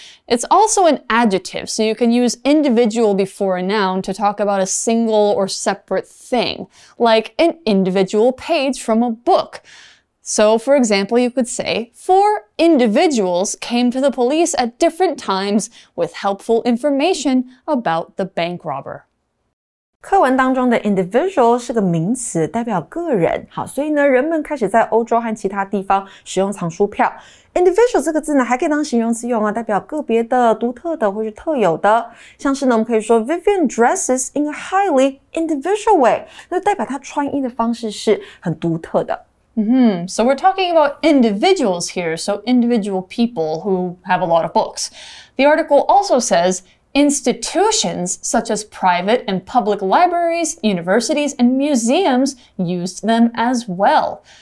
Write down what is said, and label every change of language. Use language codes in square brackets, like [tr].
[en] It's also an adjective, so you can use individual before a noun to talk about a single or separate thing, like an individual page from a book. So, for example, you could say, 4 individuals came to the police at different times with helpful information about the bank robber. [zh] 课文当中的 individual 是个名词代表个人。好，所以呢，人们开始在欧洲和其他地方使用藏书票。 Individual 这个字呢，还可以当形容词用啊，代表个别的、独特的或是特有的。像是呢，我们可以说 [en] Vivian dresses in a highly individual way. [zh] 那代表她穿衣的方式是很独特的。 [en] So we're talking about individuals here, so individual people who have a lot of books. The article also says, institutions such as private and public libraries, universities, and museums used them as well.